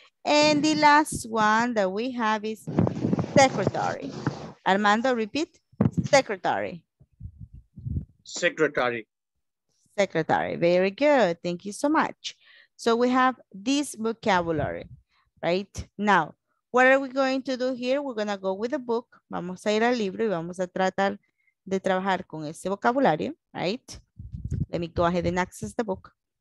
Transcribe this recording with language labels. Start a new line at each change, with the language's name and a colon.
English: And the last one that we have is secretary. Armando, repeat, secretary. Secretary. Secretary. Very good. Thank you so much. So we have this vocabulary, right? Now, what are we going to do here? We're going to go with the book.
Spanish: Vamos a ir al libro y vamos a tratar de trabajar con ese vocabulario, right?
English: Let me go ahead and access the book.